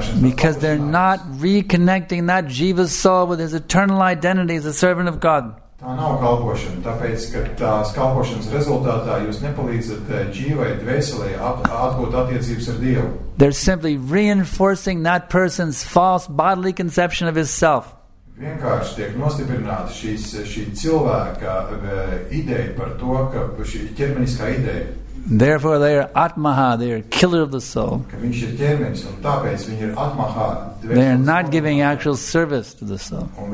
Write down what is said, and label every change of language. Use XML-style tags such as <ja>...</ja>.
<en>Because they're not reconnecting that jiva soul with his eternal identity as a servant of God.</en> <lv>Tā nav kalpošana, tāpēc, ka tās kalpošanas rezultātā jūs nepalīdzat dzīvai, dvēselē atgūt attiecības ar Dievu.</lv> <en>They're simply reinforcing that person's false bodily conception of his self.</en> <lv>Vienkārši tiek nostiprināta šī cilvēka ideja par to, ka šī ķermeniskā ideja.</lv> <en>Therefore they are atmaha, they are killer of the soul. They are not giving actual service to the soul.</en>